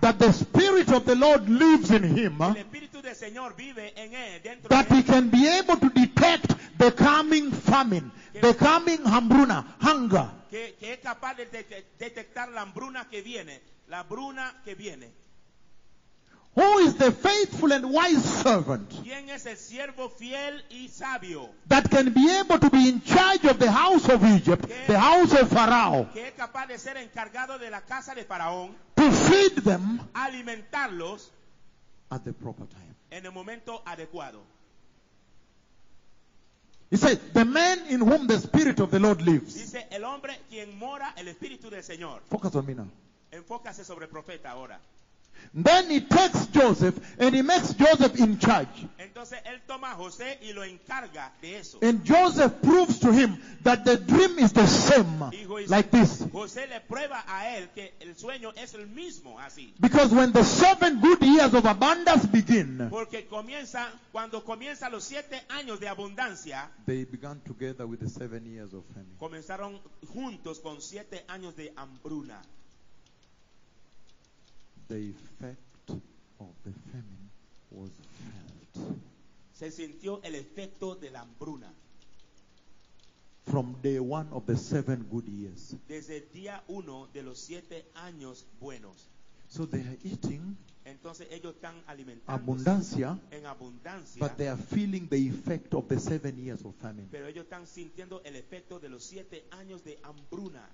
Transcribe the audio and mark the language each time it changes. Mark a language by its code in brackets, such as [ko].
[en] that the Spirit of the Lord lives in him, [es] el Espíritu del Señor vive en él, dentro [en] that [es] de [en] he [es] él. [en] Can be able to detect the coming famine, que, the coming hambruna, hunger? [es] Que es capaz de detectar la hambruna que viene, la bruna que viene. [en] Who is the faithful and wise servant [es] ¿quién es el siervo fiel y sabio? [en] That can be able to be in charge of the house of Egypt, [es] que, [en] the house of Pharaoh, [es] que es capaz de ser encargado de la casa de Faraón, [en] to feed them [es] alimentarlos [en] at the proper time. [es] En el momento adecuado. [en] He said, the man in whom the Spirit of the Lord lives. [es] Dice, el hombre quien mora el Espíritu del Señor. [en] Focus on me now. [es] Enfócase sobre el profeta ahora. [en] Then he takes Joseph and he makes Joseph in charge. [es] Entonces, él toma a José y lo encarga de eso. [en] And Joseph proves to him that the dream is the same, like this. [es] José le prueba a él que el sueño es el mismo, así. [en] Because when the 7 good years of abundance begin, [es] porque comienza, cuando comienza los 7 años de abundancia, [en] they began together with the 7 years of famine. [es] Comenzaron juntos con 7 años de hambruna. [en] The effect of the famine was felt. [es] Se sintió el efecto de la hambruna. [en] From day one of the 7 good years. [es] Desde el día uno de los 7 años buenos. [en] So they are eating. [es] Entonces ellos están alimentándose abundancia, en abundancia. [en] But they are feeling the effect of the 7 years of famine. [es] Pero ellos están sintiendo el efecto de los 7 años de hambruna.